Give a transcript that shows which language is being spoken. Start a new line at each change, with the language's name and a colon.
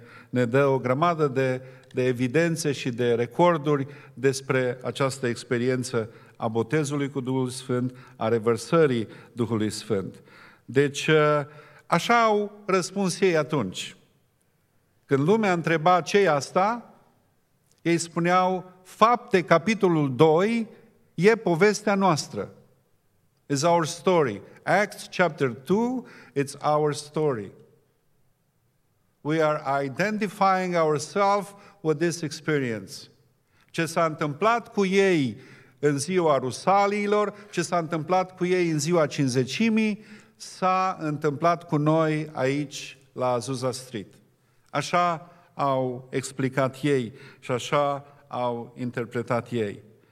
Romanian: ne dă o grămadă de evidențe și de recorduri despre această experiență a botezului cu Duhul Sfânt, a revărsării Duhului Sfânt. Deci, așa au răspuns ei atunci. Când lumea întreba ce e asta, ei spuneau, Fapte, capitolul 2, e povestea noastră.
English: It's our story. Acts, chapter 2, it's our story. We are identifying ourselves with this experience.
Romanian: Ce s-a întâmplat cu ei în ziua Rusaliilor, ce s-a întâmplat cu ei în ziua Cincizecimii, s-a întâmplat cu noi aici, la Azusa Street. Așa au explicat ei și așa au interpretat ei.